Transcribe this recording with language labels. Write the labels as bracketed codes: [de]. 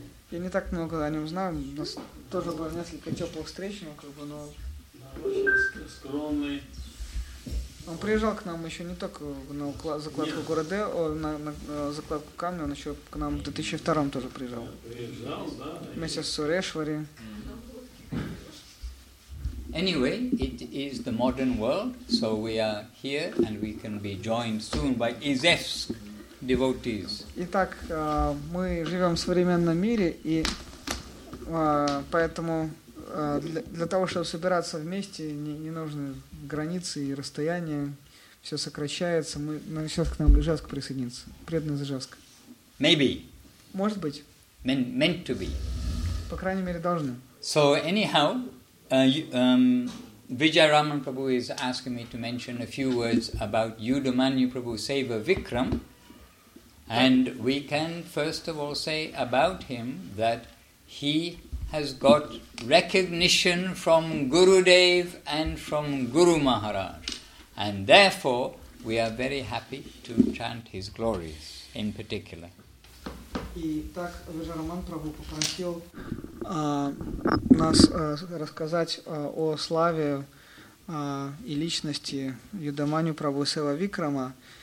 [ru] Я не так много о нем знаю. У нас тоже было несколько теплых встреч, но как бы, но. Скромный. Он приезжал к нам еще не только на закладку города, на закладку камня, он еще к нам в 2002 тоже приезжал. Приезжал, да. Вместе с Сурешвари. [en] Anyway, it is the modern world, so we are here and we can be joined soon by Izefsk devotees. [ru] Итак, мы живем в современном мире, и поэтому для того, чтобы собираться вместе, не нужны границы и расстояния. все сокращается, мы сейчас к нам Ижевск присоединится, преданный Ижевск. [en] Maybe. [ru] Может быть. [en] Meant to be. [ru] По крайней мере должны. [en] So anyhow, Vijayaraman Prabhu is asking me to mention a few words about Yudhamanyu Prabhu Seva Vikram, and we can first of all say about him that he has got recognition from Gurudev and from Guru Maharaj, and therefore we are very happy to chant his glories in particular. [ru] И так Вижараман Прабху попросил нас рассказать о славе и личности Юдаманю Прабху Сева Викрама.